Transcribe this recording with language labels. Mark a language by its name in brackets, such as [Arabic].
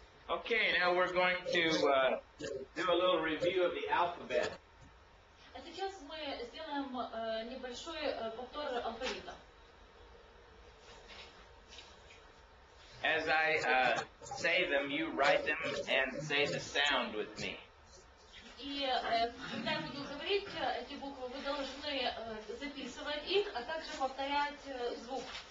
[English] Okay, now we're going to do a little review of the alphabet. [Russian] А сейчас мы сделаем небольшой повтор алфавита. [English] As I say them, you write them and say the sound with me. [Russian] И когда я буду говорить эти буквы, вы должны записывать их, а также повторять звук.